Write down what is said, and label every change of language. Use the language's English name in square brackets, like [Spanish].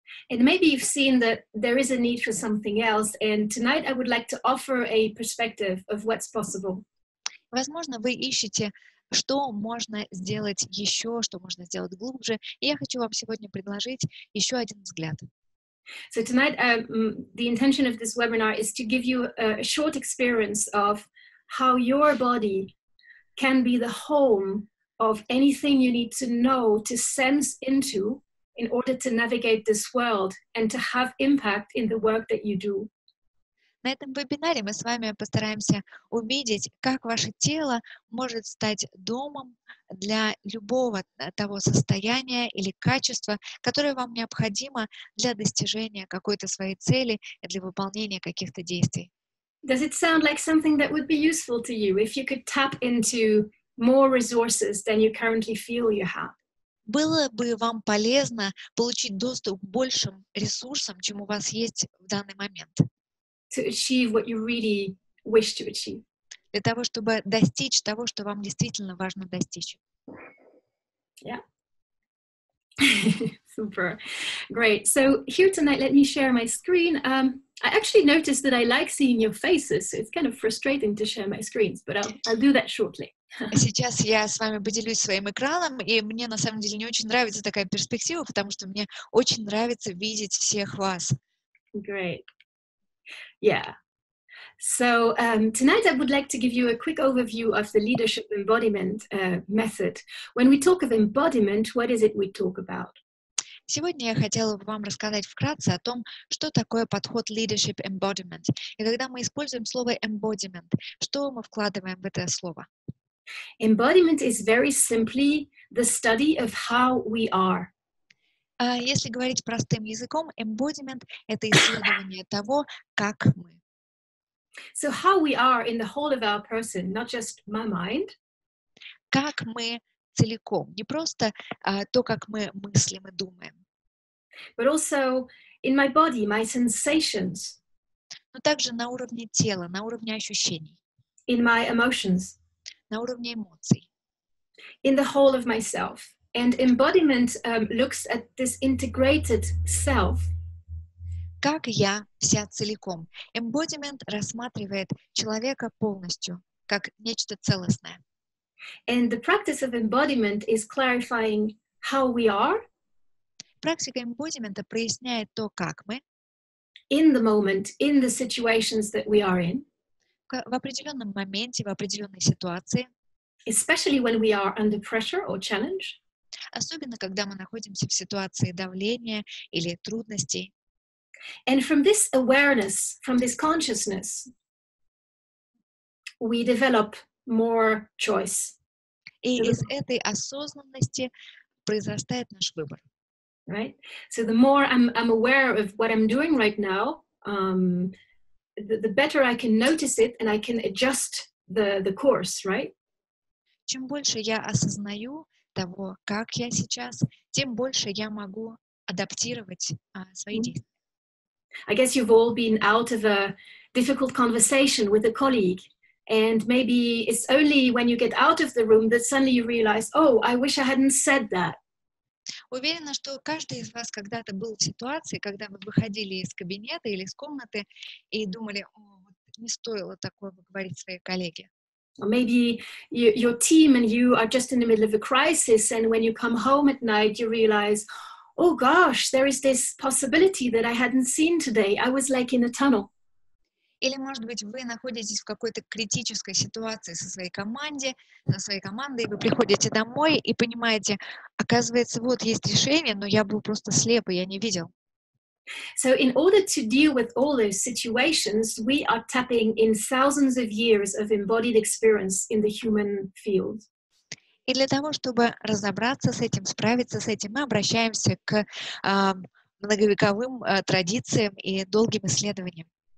[English] And maybe you've seen that there is a need for something else, and tonight I would like to offer a perspective of what's possible. [Russian] Возможно, вы ищете, что можно сделать еще, что можно сделать глубже, и я хочу вам сегодня предложить еще один взгляд. [English] So tonight the intention of this webinar is to give you a short experience of how your body can be the home of anything you need to know, to sense into, in order to navigate this world and to have impact in the work that you do. [Russian] На этом вебинаре мы с вами постараемся увидеть, как ваше тело может стать домом для любого того состояния или качества, которое вам необходимо для достижения какой-то своей цели и для выполнения каких-то действий. [English] Does it sound like something that would be useful to you if you could tap into more resources than you currently feel you have? [Russian] Было бы вам полезно получить доступ к большим ресурсам, чем у вас есть в данный момент? [English] To achieve what you really wish to achieve. [Russian] Для того, чтобы достичь того, что вам действительно важно достичь. [English] Yeah. Super. Great. So here tonight, let me share my screen. I actually noticed that I like seeing your faces, so it's kind of frustrating to share my screens, but I'll do that shortly. [Russian] Сейчас я с вами поделюсь своим экраном, и мне на самом деле не очень нравится такая перспектива, потому что мне очень нравится видеть всех вас. [English] Great. Yeah. So tonight I would like to give you a quick overview of the leadership embodiment method. When we talk of embodiment, what is it we talk about? [Russian] Сегодня я хотела бы вам рассказать вкратце о том, что такое подход leadership embodiment. И когда мы используем слово embodiment, что мы вкладываем в это слово? [English] Embodiment is very simply the study of how we are. [Russian] Если говорить простым языком, embodiment — это исследование того, как мы. [English] So how we are in the whole of our person, not just my mind. [Russian] Как мы целиком, не просто то, как мы мыслим и думаем. [English] But also in my body, my sensations. [Russian] Но также на уровне тела, на уровне ощущений. [English] In my emotions. [Russian] На уровне эмоций. [English] In the whole of myself. And embodiment looks at this integrated self. [Russian] Как я вся целиком. Embodiment рассматривает человека полностью, как нечто целостное. [English] And the practice of embodiment is clarifying how we are. [Russian] Практика эмбодимента проясняет то, как мы. [English] In the moment, in the situations that we are in. [Russian] В определенном моменте, в определенной ситуации. [English] Especially when we are under pressure or challenge. [Russian] Особенно, когда мы находимся в ситуации давления или трудностей. [English] And from this awareness, from this consciousness, we develop more choice. [Russian] И из этой осознанности произрастает наш выбор. [English] Right? So the more I'm aware of what I'm doing right now, the better I can notice it and I can adjust the course, right? [Russian] Чем больше я осознаю того, как я сейчас, тем больше я могу адаптировать свои действия. [English] I guess you've all been out of a difficult conversation with a colleague, and maybe it's only when you get out of the room that suddenly you realize, oh, I wish I hadn't said that. [Russian] Уверена, что каждый из вас когда-то был в ситуации, когда вы выходили из кабинета или из комнаты и думали, о, вот не стоило такое говорить своей коллеге. [English] Or maybe your team and you are just in the middle of a crisis, and when you come home at night, you realize, oh gosh, there is this possibility that I hadn't seen today. I was like in a tunnel. [Russian] Или, может быть, вы находитесь в какой-то критической ситуации со своей команде, со своей командой, и вы приходите домой и понимаете, оказывается, вот есть решение, но я был просто слеп, и я не видел. [English] So in order to deal with all those situations, we are tapping in thousands of years of embodied experience in the human field. [Russian] И для того, чтобы разобраться с этим, справиться с этим, мы обращаемся к многовековым традициям и долгим исследованиям.